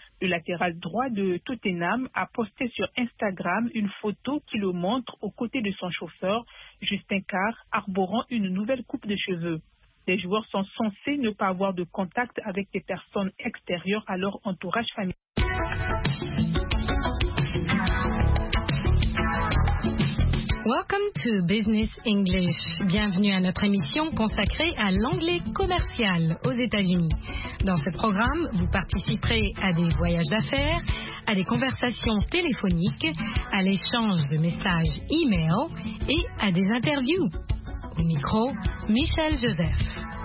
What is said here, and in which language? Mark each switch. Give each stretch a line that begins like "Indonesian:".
French: Le latéral droit de Tottenham a posté sur Instagram une photo qui le montre aux côtés de son chauffeur, Justin Carr, arborant une nouvelle coupe de cheveux. Les joueurs sont censés ne pas avoir de contact avec des personnes extérieures à leur entourage familial.
English: Welcome to Business English.
French: Bienvenue à notre émission consacrée à l'anglais commercial aux États-Unis. Dans ce programme, vous participerez à des voyages d'affaires, à des conversations téléphoniques, à l'échange de messages e-mail et à des interviews. Au micro, Michel Joseph.